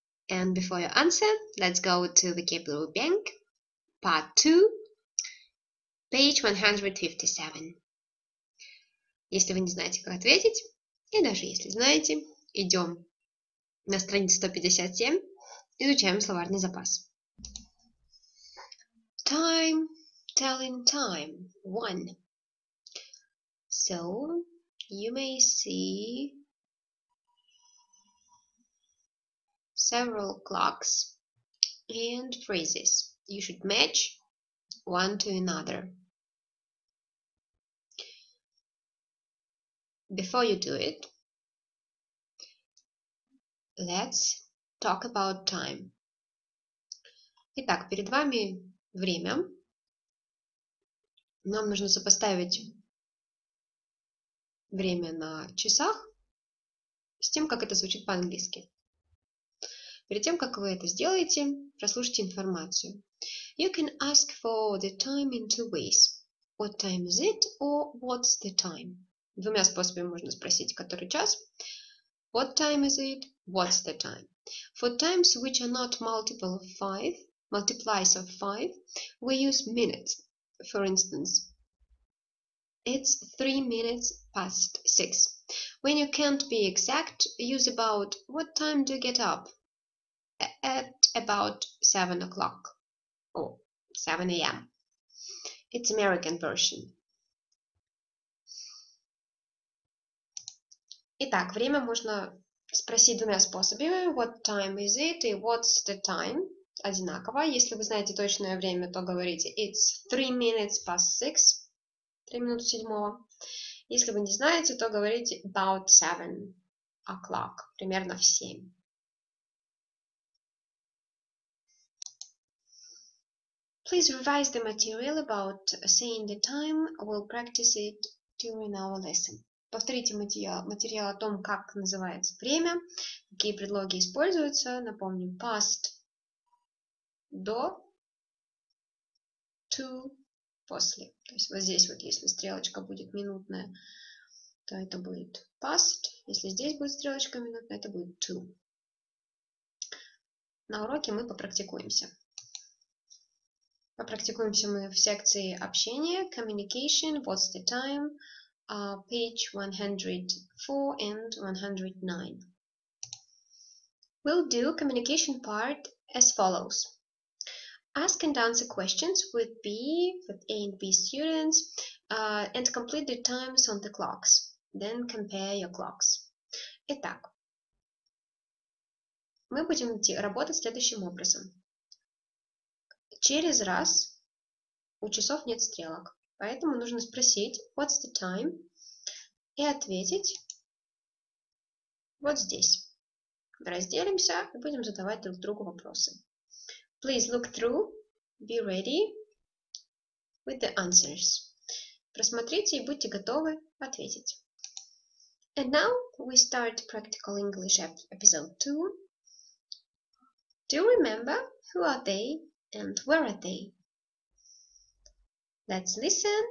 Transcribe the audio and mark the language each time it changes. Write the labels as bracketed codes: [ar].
[en] And before you answer, let's go to the vocabulary bank, part 2, page 157. [ru] Если вы не знаете, как ответить, и даже если знаете, идем на страницу 157. Изучаем словарный запас. [en] Time, telling time, one. So, you may see several clocks and phrases. You should match one to another. Before you do it, let's talk about time. [ru] Итак, перед вами время. Нам нужно сопоставить время на часах с тем, как это звучит по-английски. Перед тем, как вы это сделаете, прослушайте информацию. [en] You can ask for the time in two ways. What time is it or what's the time? [ru] Двумя способами можно спросить, который час. [en] What time is it? What's the time? For times which are not multiple of 5, multiplies of 5, we use minutes. For instance, it's 3 minutes past 6. When you can't be exact, use about what time do you get up? At about 7 o'clock or 7 a.m. It's American version. [ru] Итак, время можно спросить двумя способами. [en] What time is it? И what's the time? [ru] Одинаково. Если вы знаете точное время, то говорите [en] it's 3 minutes past 6. [ru] 3 минуты седьмого. Если вы не знаете, то говорите [en] about 7 o'clock. [ru] Примерно в 7. [en] Please revise the material about saying the time. We'll practice it during our lesson. [ru] Повторите материал о том, как называется время, какие предлоги используются. Напомним, past – до, to – после. То есть вот здесь вот, если стрелочка будет минутная, то это будет past. Если здесь будет стрелочка минутная, это будет to. На уроке мы попрактикуемся. Попрактикуемся мы в секции общения, [en] communication, what's the time – page 104 and 109. We'll do communication part as follows. Ask and answer questions with A and B students and complete the times on the clocks. Then compare your clocks. [ru] Итак, мы будем работать следующим образом. Через раз у часов нет стрелок, поэтому нужно спросить [en] what's the time? [ru] И ответить вот здесь. Разделимся и будем задавать друг другу вопросы. [en] Please look through, be ready with the answers. [ru] Просмотрите и будьте готовы ответить. [en] And now we start practical English episode 2. Do you remember who are they and where are they? Let's listen.